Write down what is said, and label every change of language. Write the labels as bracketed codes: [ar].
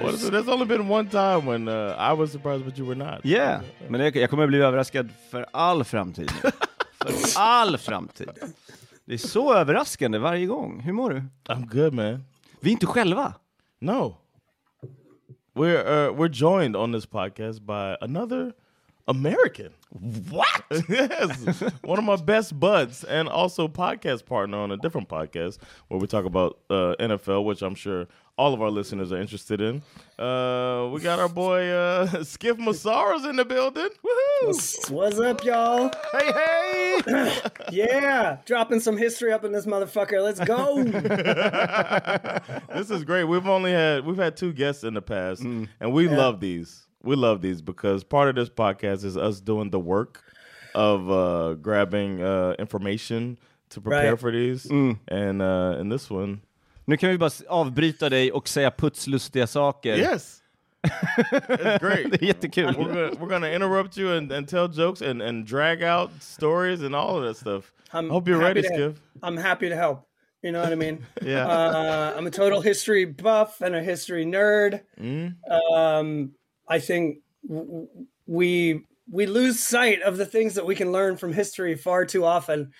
[en] Well, so there's only been one time when I was surprised but you were not. Yeah. [sv] Men jag kommer bli överraskad för all framtid. För all framtid. Det är så överraskande varje gång. Hur mår du? [en] I'm good, man. [sv] Vi är inte själva. [en] No. We're joined on this podcast by another American. What? Yes. One of my best buds and also podcast partner on a different podcast where we talk about NFL, which I'm sure all of our listeners are interested in. We got our boy Schif Musarra's in the building. Woohoo! What's up, y'all? Hey, hey! Yeah! Dropping some history up in this motherfucker. Let's go! This is great. We've had two guests in the past, and we love these. We love these because part of this podcast is us doing the work of grabbing information to prepare for these. Mm. And in this one... [sv] Nu kan vi bara avbryta dig och säga putslustiga saker. [en] Yes! It's great. [sv] Det är jättekul. [en] We're going to interrupt you and tell jokes and drag out stories and all of that stuff. I'm hope you're ready, Schif. I'm happy to help. You know what I mean? Yeah. I'm a total history buff and a history nerd. I think we lose sight of the things that we can learn from history far too often.